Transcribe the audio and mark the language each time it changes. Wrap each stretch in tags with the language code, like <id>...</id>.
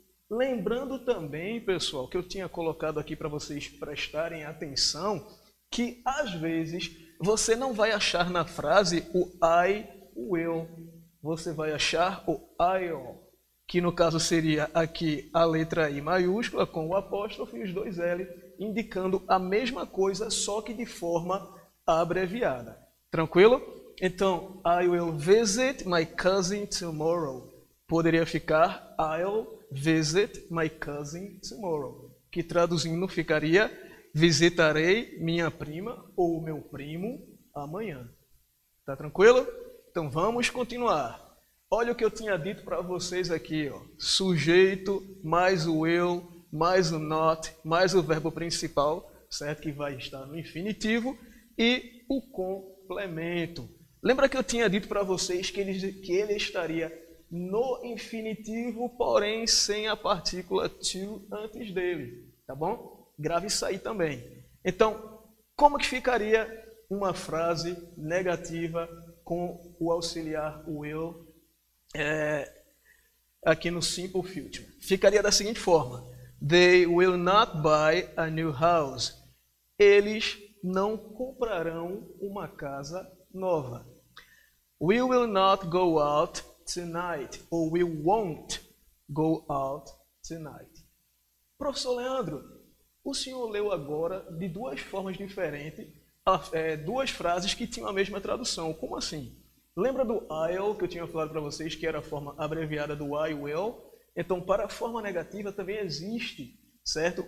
<pt>Lembrando também, pessoal, que eu tinha colocado aqui para vocês prestarem atenção, que às vezes você não vai achar na frase o I will, você vai achar o I'll, que no caso seria aqui a letra I maiúscula com o apóstrofo e os dois L, indicando a mesma coisa, só que de forma abreviada. Tranquilo?</pt> <en>Então, I will visit my cousin tomorrow.</en> <pt>Poderia ficar I'll visit my cousin tomorrow, que traduzindo ficaria visitarei minha prima ou meu primo amanhã. Tá tranquilo? Então vamos continuar. Olha o que eu tinha dito para vocês aqui, ó. Sujeito mais o will mais o not mais o verbo principal, certo? Que vai estar no infinitivo e o complemento. Lembra que eu tinha dito para vocês que ele estaria no infinitivo, porém sem a partícula to antes dele, tá bom? Grave isso aí também. Então, como que ficaria uma frase negativa com o auxiliar will aqui no simple future? Ficaria da seguinte forma.</pt> <en>They will not buy a new house.</en> <pt>Eles não comprarão uma casa nova.</pt> <en>We will not go out tonight, ou we won't go out tonight.</en> <pt>Professor Leandro, o senhor leu agora de duas formas diferentes duas frases que tinham a mesma tradução. Como assim? Lembra do I'll que eu tinha falado para vocês, que era a forma abreviada do I will? Então, para a forma negativa também existe, certo?</pt>